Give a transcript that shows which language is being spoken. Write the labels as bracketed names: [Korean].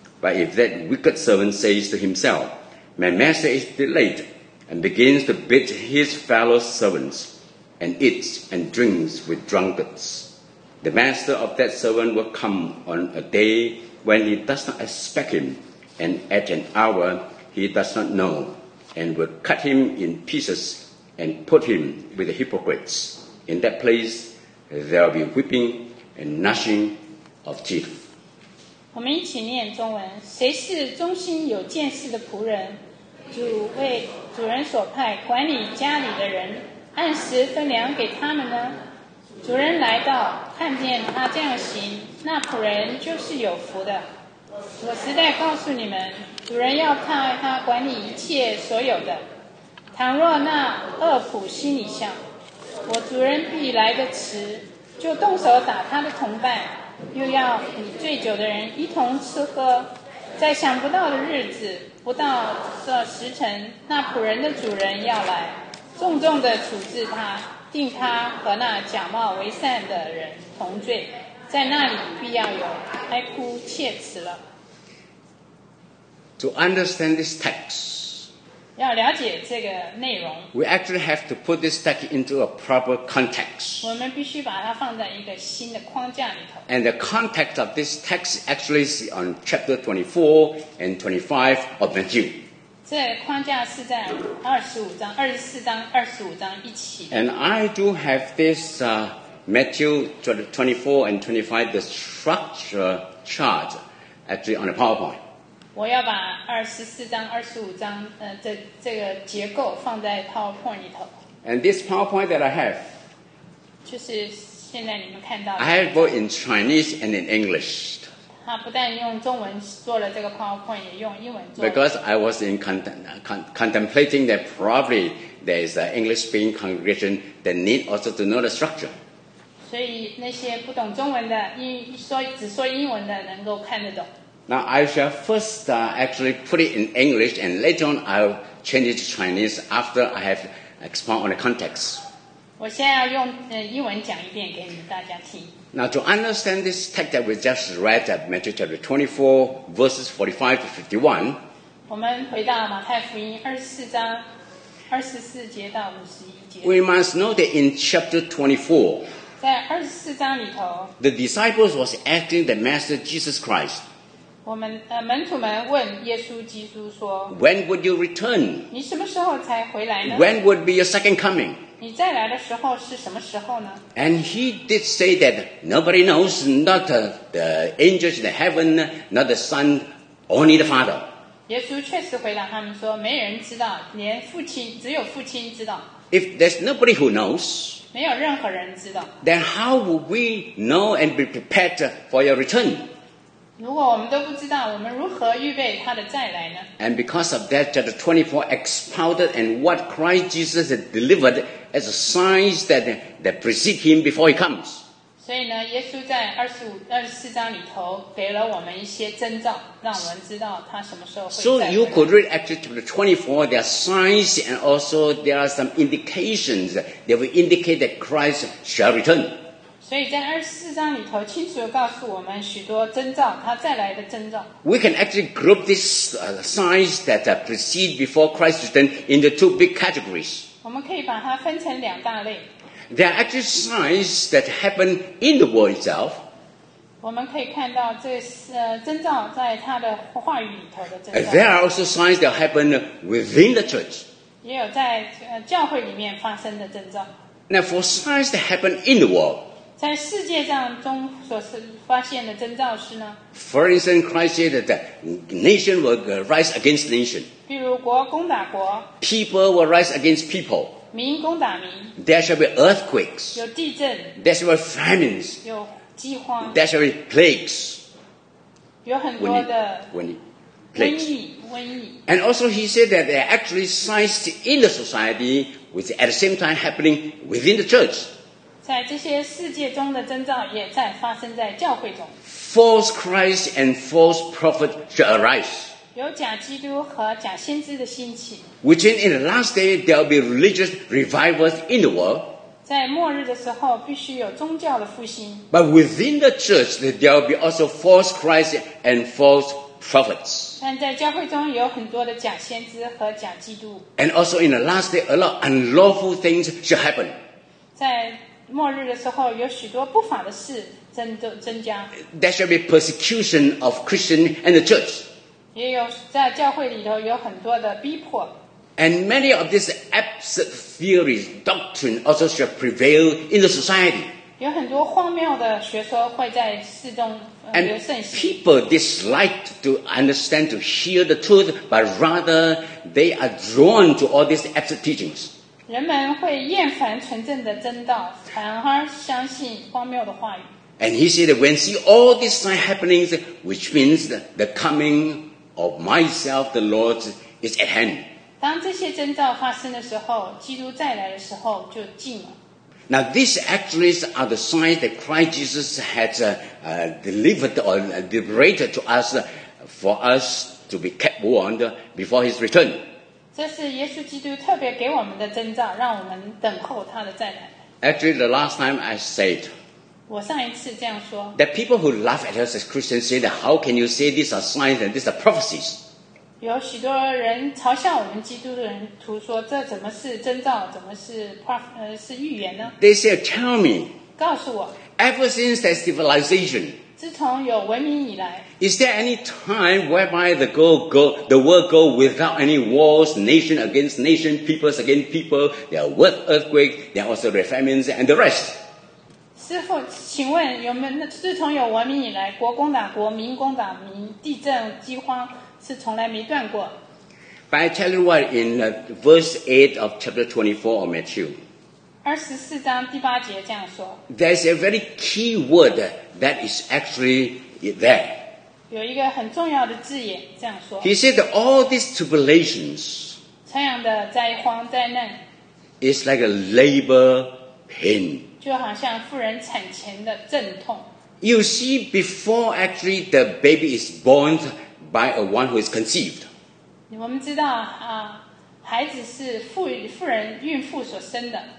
[English] But if that wicked servant says to himself, 'My master is delayed,' and begins to beat his fellow servants, and eats and drinks with drunkards, the master of that servant will come on a day when he does not expect him, and at an hour he does not know, and will cut him in pieces and put him with the hypocrites. In that place there will be weeping and gnashing of teeth.'" [Chinese] 我们一起念中文。谁是忠心有见识的仆人，主为主人所派管理家里的人，按时分粮给他们呢？主人来到，看见他这样行，那仆人就是有福的。我实在告诉你们，主人要看爱他管理一切所有的。倘若那恶仆心里想，我主人必来得迟，就动手打他的同伴，又要与醉酒的人一同吃喝，在想不到的日子，不到这时辰，那仆人的主人要来，重重地处置他，定他和那假冒为善的人同罪，在那里必要有哀哭切齿了。 [English] To understand this text, [Chinese] 要了解这个内容， [English] we actually have to put this text into a proper context. [Chinese] 我们必须把它放在一个新的框架里头。 [English] And the context of this text actually is on chapter 24 and 25 of Matthew. [Chinese] 这框架是在24章、25章一起。 [English] And I do have this Matthew 24 and 25, the structure chart, actually on a PowerPoint. [Chinese] 我要把24章、25章这个结构放在 PowerPoint 里头。 [English] And this PowerPoint that I have, [Chinese] 就是现在你们看到的。 [English] I have both in Chinese and in English. [Chinese] 他不但用中文做了这个 PowerPoint， 也用英文做了。 [English] Because I was in contemplating that probably there is an English-speaking congregation that need also to know the structure. [Chinese] 所以那些不懂中文的，只说英文的能够看得懂。 [English] Now I shall first actually put it in English, and later on I'll change it to Chinese after I have expound on the context. [Chinese] 我现在要用英文讲一遍给你们大家听。 [English] Now to understand this text that we just read at Matthew chapter 24, verses 45 to 51, [Chinese] 我们回到马太福音24章24节到51节。 [English] We must know that in chapter 24, [Chinese] 在24章里头, [English] the disciples was asking the Master Jesus Christ, [Chinese] 我们, 门徒们问耶稣基督说, [English] When would you return? [Chinese] 你什么时候才回来呢? [English] When would be your second coming? [Chinese] 你再来的时候是什么时候呢? [English] And he did say that nobody knows, not the angels in the heaven, not the Son, only the Father. [Chinese] 耶稣确实回答他们说，没人知道，连父亲，只有父亲知道。 [English] If there's nobody who knows, [Chinese] 没有任何人知道。 [English] Then how will we know and be prepared for your return? [Chinese] 如果我们都不知道，我们如何预备他的再来呢? [English] And because of that, chapter 24 expounded and what Christ Jesus had delivered,as a sign that precede him before he comes. [Chinese] 所以呢耶稣在24章里头给了我们一些征兆让我们知道他什么时候会再来。 [English] So you could read actually chapter 24, there are signs and also there are some indications that will indicate that Christ shall return. [Chinese] 所以在24章里头清楚地告诉我们许多征兆他再来的征兆。 [English] We can actually group these signs that precede before Christ return into two big categories. [Chinese] 我们可以把它分成两大类。 [English] There are actual signs that happen in the world itself. [Chinese] 我们可以看到这是征兆在它的话语里头的征兆。 [English] There are also signs that happen within the church. [Chinese] 也有在教会里面发生的征兆。 [English] Now for signs that happen in the world. [Chinese] 在世界上中所发现的征兆是呢? [English] For instance, Christ said that the nation will rise against nation. [Chinese] 比如国攻打国 [English] People will rise against people. [Chinese] 民攻打民 [English] There shall be earthquakes. [Chinese] 有地震 [English] There shall be famines. [Chinese] 有饥荒 [English] There shall be plagues. [Chinese] 有很多的瘟疫瘟疫 [English] And also he said that there are actually signs in the society which at the same time happening within the church. [Chinese] 在这些世界中的征兆也在发生在教会中 [English] False Christ and false prophet shall arise. [Chinese] 有假基督和假先知的兴起 [English] Which means in the last day there will be religious revivals in the world [Chinese] 在末日的时候必须有宗教的复兴 [English] But within the church there will be also false Christ and false prophets [Chinese] 但在教会中有很多的假先知和假基督 [English] And also in the last day a lot of unlawful things shall happen [Chinese] 在末日的时候有许多不法的事 增加 [English] There shall be persecution of Christian and the church [Chinese] 也有在教会里头有很多的逼迫 [English] And many of these absurd theories, doctrine also shall prevail in the society. [Chinese] 有很多荒谬的学说会在世中 [English] And people dislike to understand, to hear the truth, but rather they are drawn to all these absurd teachings. [Chinese] 人们会厌烦纯正的真道，反而相信荒谬的话语。 [English] And he said, when see all these signs happening, which means the comingOf myself, the Lord is at hand. [Chinese] 当这些征兆发生的时候，基督再来的时候就近了。 [English] Now these actually are the signs that Christ Jesus had delivered or liberated to us for us to be kept warned before His return. [Chinese] 这是耶稣基督特别给我们的征兆，让我们等候他的再来。 [English] Actually, the last time I said. [Chinese] 我上一次这样说 [English] That people who laugh at us as Christians say that how can you say these are signs and these are prophecies? [Chinese] 有许多人嘲笑我们基督的人徒说这怎么是征兆怎么是 是预言呢 [English] They say tell me [Chinese] 告诉我 [English] Ever since that civilization [Chinese] 自从有文明以来 [English] Is there any time whereby the world go without any wars nation against nation peoples against people there are world earthquakes there are also the famines and the rest? [Chinese] 师父，请问有没有自从有文明以来，国攻打国，民攻打民，地震、饥荒是从来没断过。 [English] But I tell you what, in verse 8 of chapter 24 of Matthew, [Chinese] 24章第八节这样说。 [English] There's a very key word that is actually there. [Chinese] 有一个很重要的字眼这样说。 [English] He said that all these tribulations, [Chinese] 这样的灾荒灾难 [English] is like a labor pain. [Chinese] 就好像妇人产前的阵痛。 [English] You see, before actually the baby is born by a one who is conceived. [Chinese] 我们知道啊，孩子是妇人孕妇所生的。